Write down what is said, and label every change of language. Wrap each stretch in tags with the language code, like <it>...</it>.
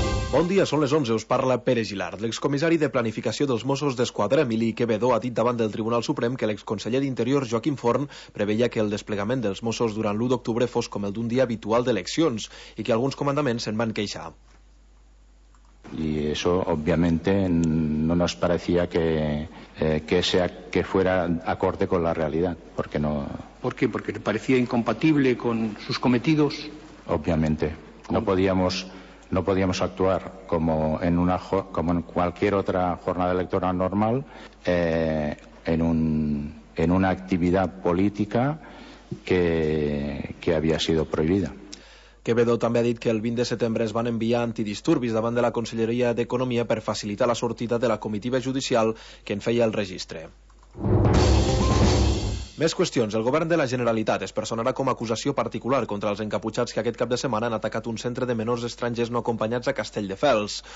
<ca>Bon dia, són les 11, us parla Pere Gilard. L'excomissari de planificació dels Mossos d'Esquadra, Emili Quevedo, ha dit davant del Tribunal Suprem que l'exconseller d'Interior, Joaquim Forn, preveia que el desplegament dels Mossos durant l'1 d'octubre fos com el d'un dia habitual d'eleccions i que alguns comandaments se'n van queixar.</ca> <es>Y eso obviamente no nos parecía que fuera acorde con la realidad, porque no... ¿Por qué? ¿Porque parecía incompatible con sus cometidos? Obviamente. No podíamos actuar como en cualquier otra jornada electoral normal, en una actividad política que había sido prohibida.</es> <ca>Quevedo també ha dit que el 20 de setembre es van enviar antidisturbis davant de la Conselleria d'Economia per facilitar la sortida de la comitiva judicial que en feia el registre. Més qüestions. El govern de la Generalitat es personarà com a acusació particular contra els encaputxats que aquest cap de setmana han atacat un centre de menors estrangers no acompanyats a Castelldefels.</ca>